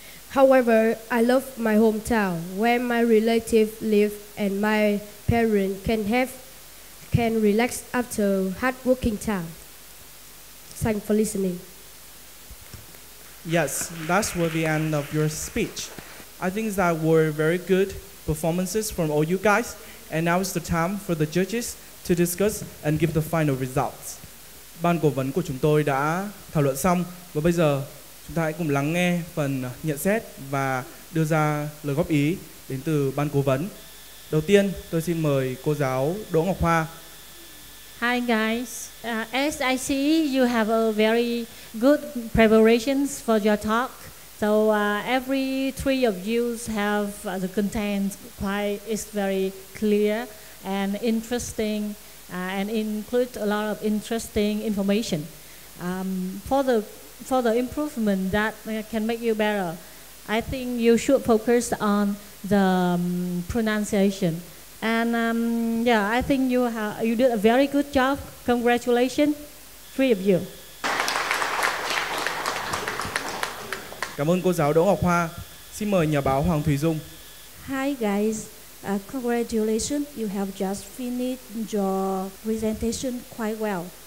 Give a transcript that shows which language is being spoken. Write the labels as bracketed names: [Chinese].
[English] However, I love my hometown where my relatives live and my parents can relax after hard working time. Thanks for listening. Yes, that was the end of your speech. I think that were very good performances from all you guys, and now is the time for the judges to discuss and give the final results. [Vietnamese] Ban cố vấn của chúng tôi đã thảo luận xong và bây giờ chúng ta hãy cùng lắng nghe phần nhận xét và đưa ra lời góp ý đến từ ban cố vấn. Đầu tiên, tôi xin mời cô giáo Đỗ Ngọc Hoa. [English] Hi guys, as I see, you have a very good preparations for your talk. So every three of you have the content is very clear and interesting, and include a lot of interesting information. For the improvement that can make you better, I think you should focus on the pronunciation. And I think you did a very good job. Congratulations, three of you. [Vietnamese] Cảm ơn cô giáo Đỗ Ngọc Hoa. Xin mời nhà báo Hoàng Thùy Dung. [English] Hi guys, congratulations. You have just finished your presentation quite well.